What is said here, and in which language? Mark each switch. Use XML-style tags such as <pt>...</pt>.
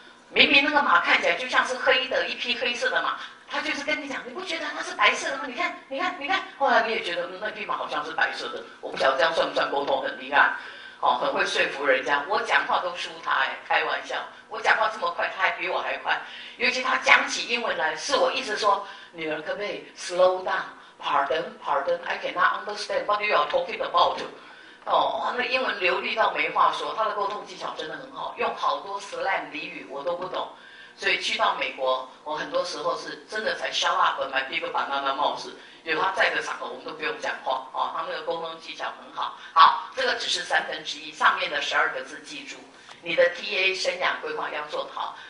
<zh>明明那个马看起来就像是黑的，一匹黑色的马，他就是跟你讲，你不觉得它是白色的吗？你看，你看，你看，后来你也觉得、那匹马好像是白色的，我不晓得这样算不算沟通，很厉害，哦，很会说服人家。我讲话都输他，哎，开玩笑，我讲话这么快，他还比我还快，尤其他讲起英文来，是我一直说，女儿可不可以</zh> <en>slow down。 Pardon, pardon, I cannot understand what you are talking about.</en> <zh>哦，那英文流利到没话说，他的沟通技巧真的很好，用好多 slang 俚语我都不懂，所以去到美国，我很多时候是真的才</zh> <en>show up my big banana mouth，</en> <zh>有他在的场合，我们都不用讲话哦，他们的沟通技巧很好。好，这个只是三分之一，上面的十二个字记住，你的 TA 生涯规划要做好。</zh>